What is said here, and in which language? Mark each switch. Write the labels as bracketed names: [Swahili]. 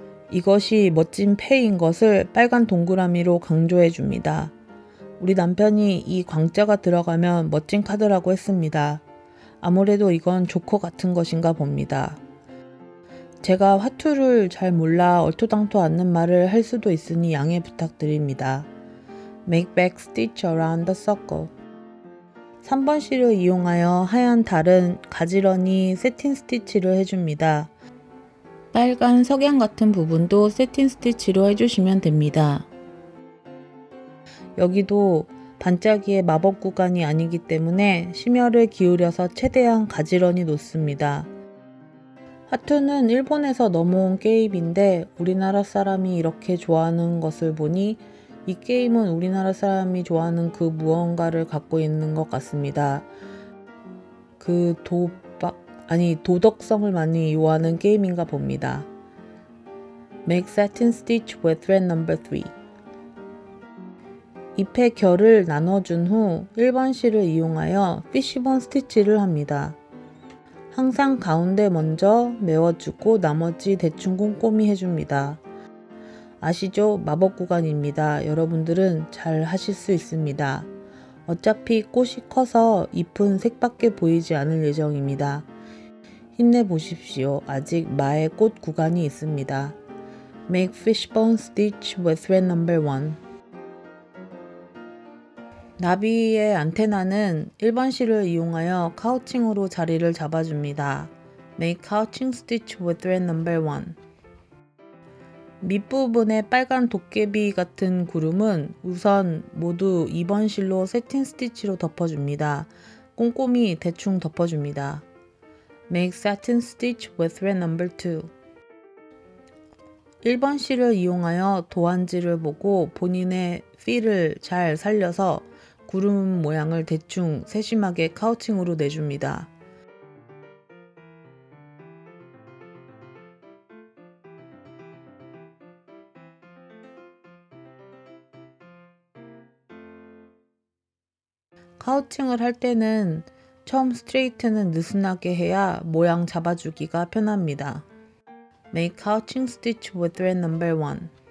[Korean] 이것이 멋진 폐인 것을 빨간 동그라미로 강조해줍니다. 우리 남편이 이 광자가 들어가면 멋진 카드라고 했습니다. 아무래도 이건 조커 같은 것인가 봅니다. 제가 화투를 잘 몰라 얼토당토 않는 말을 할 수도 있으니 양해 부탁드립니다. [English] Make back stitch around the circle. [Korean] 3번 실을 이용하여 하얀 달은 가지런히 새틴 스티치를 해줍니다. 빨간 석양 같은 부분도 새틴 스티치로 해주시면 됩니다. 여기도 반짝이의 마법 구간이 아니기 때문에 심혈을 기울여서 최대한 가지런히 놓습니다. 화투는 일본에서 넘어온 게임인데 우리나라 사람이 이렇게 좋아하는 것을 보니 이 게임은 우리나라 사람이 좋아하는 그 무언가를 갖고 있는 것 같습니다. 그 도덕성을 많이 요하는 게임인가 봅니다. [English] Make satin stitch with thread number 3. [Korean] 잎의 결을 나눠준 후 1번 실을 이용하여 피쉬본 스티치를 합니다. 항상 가운데 먼저 메워주고 나머지 대충 꼼꼼히 해줍니다. 아시죠? 마법 구간입니다. 여러분들은 잘 하실 수 있습니다. 어차피 꽃이 커서 잎은 색밖에 보이지 않을 예정입니다. 힘내보십시오. 아직 마의 꽃 구간이 있습니다. [English] Make fishbone stitch with thread number 1. [Korean] 나비의 안테나는 1번 실을 이용하여 카우칭으로 자리를 잡아줍니다. [English] Make couching stitch with thread number 1. [Korean] 밑부분의 빨간 도깨비 같은 구름은 우선 모두 2번 실로 새틴 스티치로 덮어줍니다. 꼼꼼히 대충 덮어줍니다. [English] Make satin stitch with thread number 2. [Korean] 1번 실을 이용하여 도안지를 보고 본인의 핏을 잘 살려서 구름 모양을 대충 세심하게 카우팅으로 내줍니다. 카우팅을 할 때는 처음 스트레이트는 느슨하게 해야 모양 잡아주기가 편합니다. [English] Make couching stitch with thread number 1.